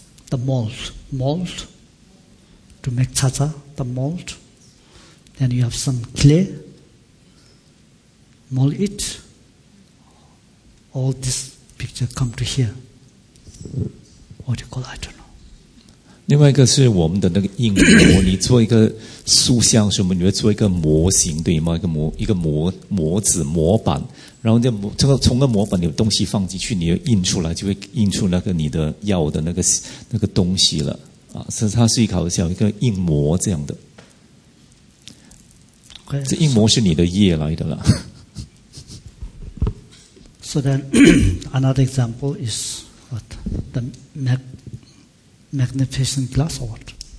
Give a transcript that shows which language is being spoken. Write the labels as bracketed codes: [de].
[en] The mold to make chacha, the mold. Then you have some clay, mold it. All this picture come to here. What do you call it? I don't know. [zh] 另外一个是我们的那个硬模，你做一个塑像什么，你会做一个模型，对吗？一个模子模板，然后这个从个模板里的东西放进去，你就印出来，就会印出那个你的要的那个东西了啊。所以它是一个好像一个硬模这样的。 [en] Okay, [zh] 这硬模是你的业来的啦。 [en] So then another example is what the magnificent glass or what?